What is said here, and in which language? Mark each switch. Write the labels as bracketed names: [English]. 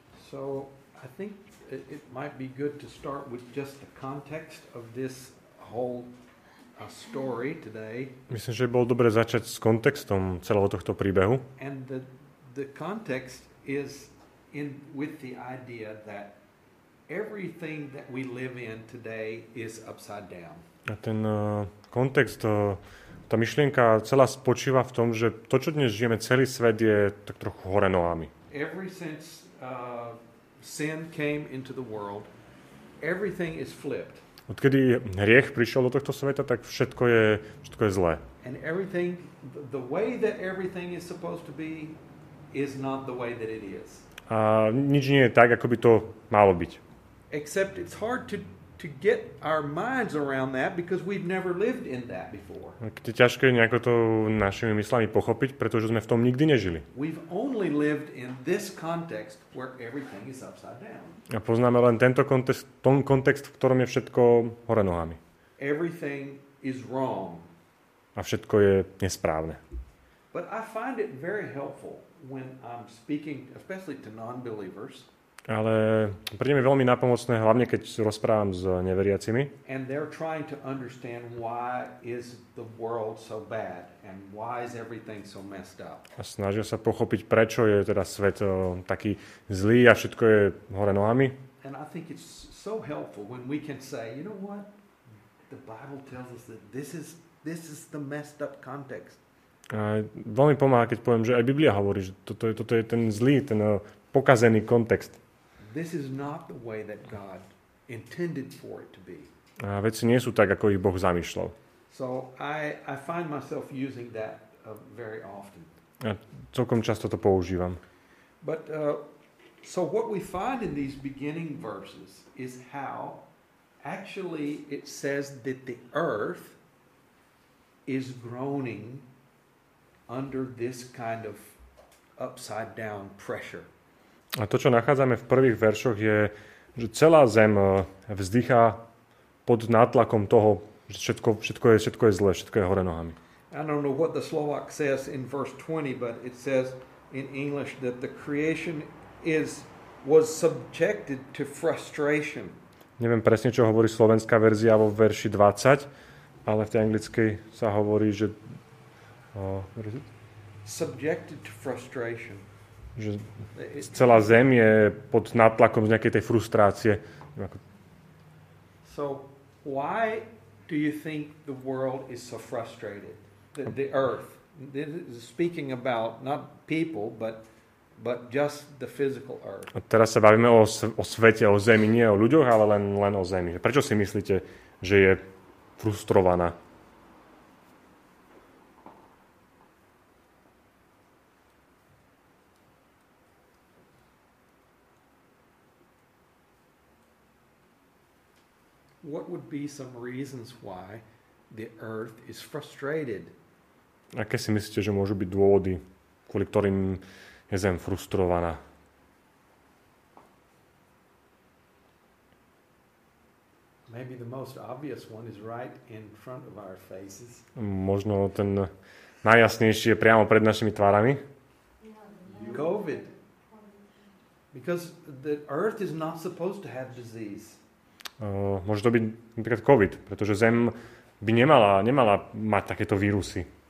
[English] So, I think it might be good to start with just the context of this whole story today. [Slovak] Myslím, že bolo dobre začať s kontextom celého tohto príbehu. [English] And the context is in with the idea that everything that we live in today is upside down. [Slovak] A ten kontext tá myšlienka celá spočíva v tom, že to, čo dnes žijeme, celý svet je tak trochu hore nohami. [English] Ever since sin came into the world, everything is flipped. [Slovak] Odkedy hriech prišiel do tohto sveta, tak všetko je zlé. [English] And everything, the way that everything is supposed to be is not the way that it is. [Slovak] A nič nie je tak, ako by to malo byť. [English] Except it's hard to get our minds around that because we've never lived in that before. [Slovak] Je ťažké nejako to našimi myslami pochopiť, pretože sme v tom nikdy nežili. [English] We've only lived in this context where everything is upside down. [Slovak] A poznáme len tento kontext, v ktorom je všetko hore nohami. [English] Everything is wrong. [Slovak] A všetko je nesprávne. [English] But I find it very helpful when I'm speaking especially to non-believers. [Slovak] Ale príde mi veľmi napomocné, hlavne keď rozprávam s neveriacimi. [English] And they're trying to understand why is the world so bad and why is everything so messed up. [Slovak] A snažia sa pochopiť, prečo je teda svet taký zlý a všetko je hore nohami. [English] And I think it's so helpful when we can say, you know what? The Bible tells us that this is the messed up context. [Slovak] A veľmi pomáha, keď poviem, že aj Biblia hovorí, že toto je ten zlý, ten pokazený kontext. [English] This is not the way that God intended for it to be. [Slovak] A veci nie sú tak, ako ich Boh zamýšľal. [English] So I find myself using that very often. [Slovak] A celkom často to používam. [English] But so what we find in these beginning verses is how actually it says that the earth is groaning under this kind of upside down pressure. [Slovak] A to, čo nachádzame v prvých veršoch, je, že celá zem vzdychá pod nátlakom toho, že všetko je zlé, všetko je hore nohami. [English] I don't know what the Slovak says in verse 20, but it says in English that the creation was subjected to frustration. [Slovak] Neviem presne, čo hovorí slovenská verzia vo verši 20, ale v tej anglickej sa hovorí, že [English] subjected to frustration. [Slovak] Že celá zem je pod nátlakom z nejakej tej frustrácie. [English] So why do you think the world is so frustrated? The earth. This is speaking about not people, but just the physical earth. [Slovak] A teraz sa bavíme o svete, o zemi, nie o ľuďoch, ale len o zemi. Prečo si myslíte, že je frustrovaná? [English] What would be some reasons why the earth is frustrated? [Slovak] Aké si myslíte, že môžu byť dôvody, kvôli ktorým je zem frustrovaná? [English] Maybe the most obvious one is right in front of our faces. [Slovak] Možno ten najjasnejší je priamo pred našimi tvárami. [English] COVID. Because the earth is not supposed to have disease. [Slovak] Môže to byť napríklad COVID, pretože zem by nemala mať takéto vírusy.